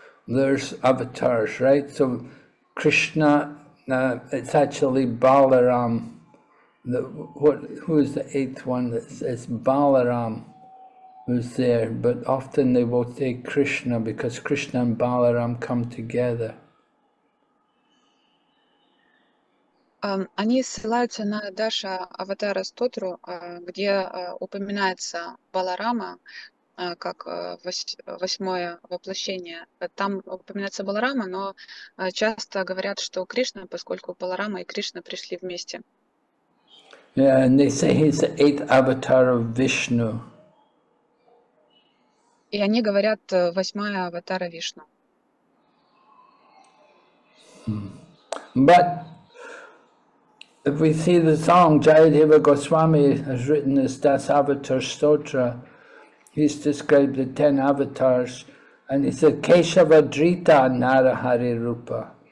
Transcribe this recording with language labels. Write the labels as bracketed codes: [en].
[en] There's avatars, right? So Krishna, it's actually Balaram. Who is the eighth one? It's Balaram who's there, but often they will say Krishna because Krishna and Balaram come together. [ru] Они ссылаются на Даша Аватара Стотру, где упоминается Баларама как восьмое воплощение. Там упоминается Баларама, но часто говорят, что Кришна, поскольку Баларама и Кришна пришли вместе. [en] Yeah, and they say he's the eighth avatar of Vishnu. [ru] И они говорят восьмая аватара Вишну. [en] But if we see the song, Jayadeva Goswami has written this Das Avatar Stotra, he's described the 10 avatars, and he said [sa] Keshava Drita Narahari Rupa.